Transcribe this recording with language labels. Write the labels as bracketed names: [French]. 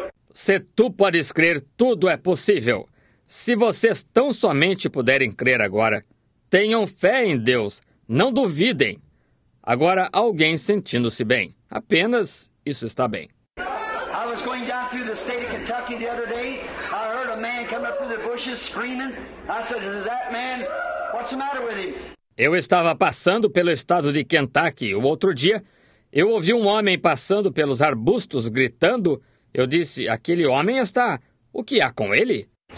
[Portuguese] Se tu podes crer, tudo é possível. Se vocês tão somente puderem crer agora, tenham fé em Deus, não duvidem. Agora, alguém sentindo-se bem. Apenas, isso está bem. [English] I was going down through the state of Kentucky the other day. I heard a man come up through the bushes screaming. I said, is that man? What's the matter with him? [Portuguese] Eu estava passando pelo estado de Kentucky o outro dia. Eu ouvi um homem passando pelos arbustos, gritando. Eu disse, aquele homem está... O que há com ele?